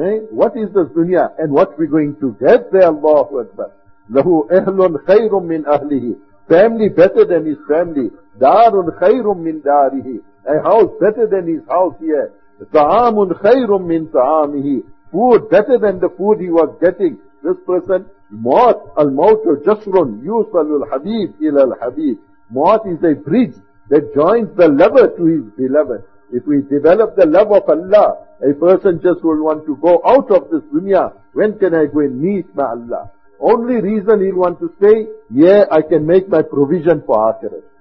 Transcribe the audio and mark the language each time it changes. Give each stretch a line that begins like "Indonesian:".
English: What is this dunya? And what we're going to get there, Allahu Akbar.
Arabic: لَهُ أَهْلٌ خَيْرٌ مِّنْ أَهْلِهِ.
English: Family better than his family.
Arabic: دَارٌ خَيْرٌ مِّنْ دَارِهِ.
English: A house better than his house here.
Arabic: طَعَامٌ خَيْرٌ مِّنْ طَعَامِهِ.
English: Food better than the food he was getting. This person,
Arabic: مَوْتُ الْمَوْتُ جَسْرٌ يُوصَلُ الْحَبِيبِ إِلَى الْحَبِيبِ.
English: Mort is a bridge that joins the lover to his beloved. If we develop the love of Allah, a person just will want to go out of this dunya. When can I go and meet my Allah? Only reason he'll want to stay, yeah, I can make my provision for akhirat.